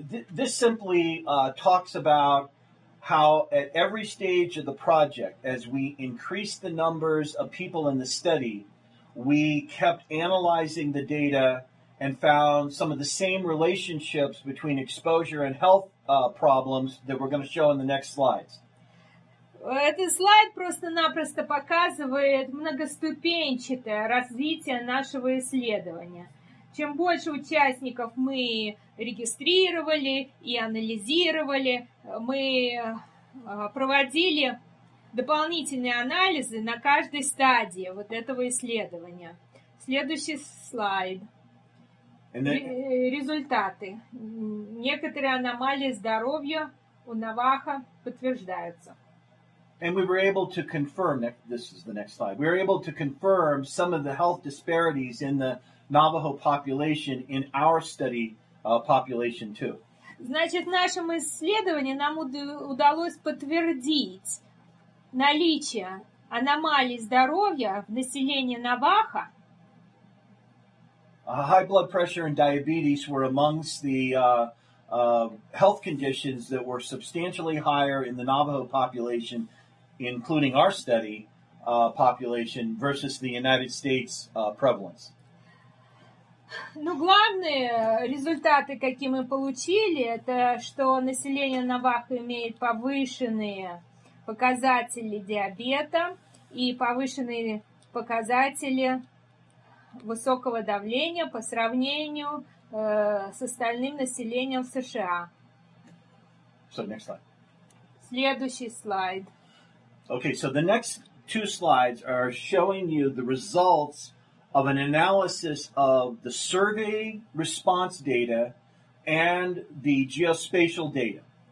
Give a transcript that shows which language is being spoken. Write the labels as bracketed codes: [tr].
[en] This simply talks about how at every stage of the project, as we increased the numbers of people in the study, we kept analyzing the data and found some of the same relationships between exposure and health problems that we're going to show in the next slides. [ru] Этот слайд просто-напросто показывает многоступенчатое развитие нашего исследования. Чем больше участников мы регистрировали и анализировали, мы проводили дополнительные анализы на каждой стадии вот этого исследования. Следующий слайд. Результаты. Некоторые аномалии здоровья у Наваха подтверждаются. [en] And we were able to confirm, this is the next slide, we were able to confirm some of the health disparities in the Navajo population in our study population too. [ru] Значит, в нашем исследовании нам удалось подтвердить наличие аномалий здоровья в населении Наваха. [en] High blood pressure and diabetes were amongst the health conditions that were substantially higher in the Navajo population, including our study population, versus the United States prevalence. [ru] Ну, главные результаты, какие мы получили, это что население Навахо имеет повышенные показатели диабета и повышенные показатели высокого давления по сравнению с остальным населением США. [en] So, next slide. [ru] Следующий слайд. [en] Okay, so the next two slides are showing you the results of an analysis of the survey response data and the geospatial data.